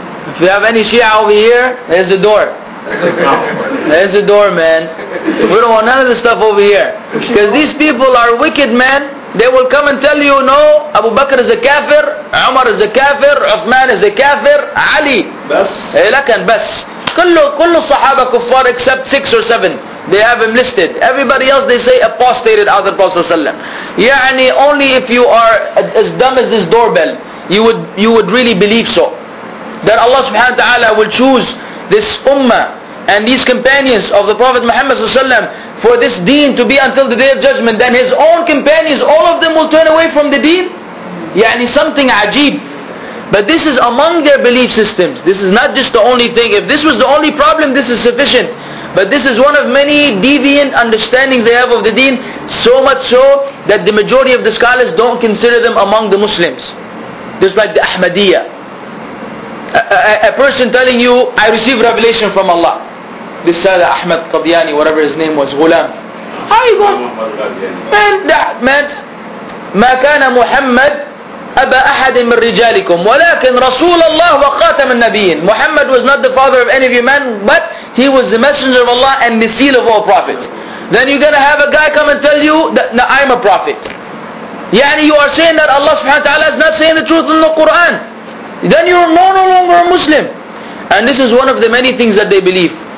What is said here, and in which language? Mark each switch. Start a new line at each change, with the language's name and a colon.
English: If you have any Shia over here, there's the door. There's the door, man. We don't want none of this stuff over here. Because these people are wicked, man. They will come and tell you, no, Abu Bakr is a kafir, Umar is a kafir, Uthman is a kafir, Ali.
Arabic: Bas. Lakan, bas. كل الصحابة كفار
English: except 6 or 7. They have him listed. Everybody else, they say apostated after the Prophet ﷺ. يعني only if you are as dumb as this doorbell, you would really believe so. That Allah subhanahu wa ta'ala will choose this ummah and these companions of the Prophet Muhammad ﷺ for this deen to be until the day of judgment, then his own companions, all of them will turn away from the deen. Yani something ajeeb. But this is among their belief systems. This is not just the only thing. If this was the only problem, this is sufficient. But this is one of many deviant understandings they have of the deen, so much so that the majority of the scholars don't consider them among the Muslims. Just like the Ahmadiyya. A person telling you, I received revelation from Allah. This Sada Ahmed Qadiani, whatever his name was, Ghulam. How you going?
Arabic: Man, that meant مَا كَانَ مُحَمَّدٌ أَبَا أَحَدٍ مِنْ رِجَالِكُمْ وَلَكِنْ رَسُولَ اللَّهُ وَقَاتَمَ النَّبِيِّينَ.
English: Muhammad was not the father of any of you men, but he was the messenger of Allah and the seal of all prophets. Then you're going to have a guy come and tell you that I'm a prophet. يعني you are saying that Allah subhanahu wa ta'ala is not saying the truth in the Quran. Then you're no longer a Muslim. And this is one of the many things that they believe.